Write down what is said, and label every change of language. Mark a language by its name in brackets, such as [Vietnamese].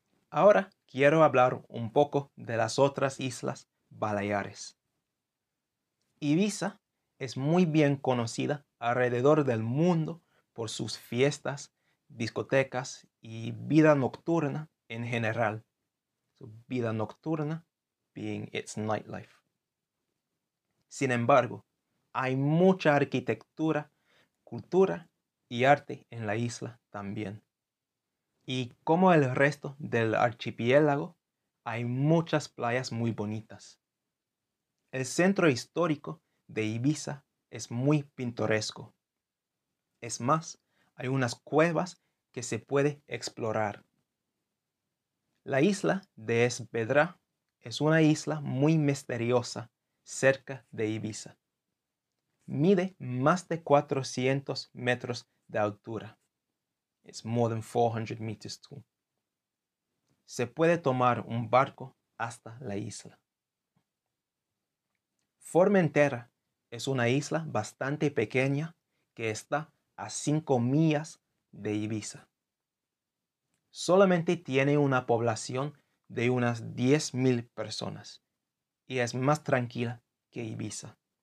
[Spanish] Ahora quiero hablar un poco de las otras islas Baleares. Ibiza es muy bien conocida alrededor del mundo por sus fiestas, discotecas y vida nocturna en general. [English] So, vida nocturna being its nightlife. [Spanish] Sin embargo, hay mucha arquitectura, cultura y arte en la isla también. Y como el resto del archipiélago, hay muchas playas muy bonitas. El centro histórico de Ibiza es muy pintoresco. Es más, hay unas cuevas que se puede explorar. La isla de Es Vedrà es una isla muy misteriosa cerca de Ibiza. Mide más de 400 metros de altura. [English] It's more than 400 meters tall. [Spanish] Se puede tomar un barco hasta la isla. Formentera es una isla bastante pequeña que está a 5 millas de Ibiza. Solamente tiene una población de unas 10.000 personas y es más tranquila que Ibiza.